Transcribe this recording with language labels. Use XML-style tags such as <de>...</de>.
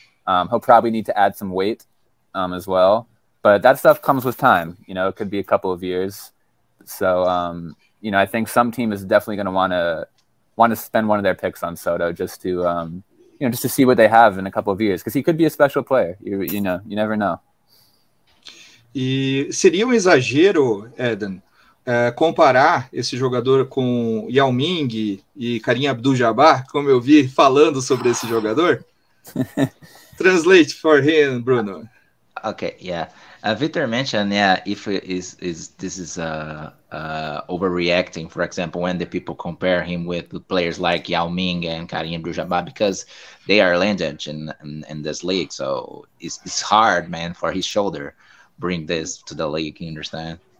<en>He'll probably need to add some weight as well. But that stuff comes with time. It could be a couple of years. So, I think some team is definitely going to want to spend one of their picks on Soto just to see what they have in a couple of years. Because he could be a special player. You never know.</en> <pt>E seria um exagero, Eden, comparar esse jogador com Yao Ming e Kareem Abdul-Jabbar, como eu vi falando sobre esse jogador?</pt> <en>Translate for him, Bruno. Okay, yeah. Victor mentioned, yeah, if is this is overreacting, for example, when the people compare him with players like Yao Ming and Kareem Abdul-Jabbar because they are legends in this league, so it's hard, man, for his shoulder bring this to the league, you understand?</en>